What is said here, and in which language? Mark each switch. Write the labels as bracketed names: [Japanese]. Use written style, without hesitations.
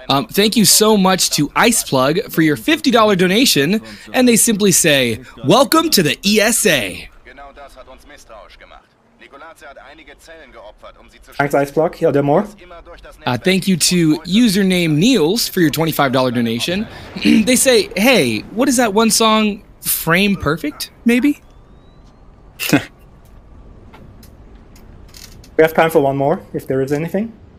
[English] Thank you so much to Iceplug for your $50 donation, and they simply say, "Welcome to the ESA." [German] Genau das hat uns misstrauisch gemacht. Nikolaze hat einige Zellen geopfert, um sie zu schützen. [English] Thanks, Iceplug. Are there more? Thank you to username Niels for your $25 donation. They say, "Hey, what is that one song? Frame Perfect, maybe?" We have time for one more, if there is anything.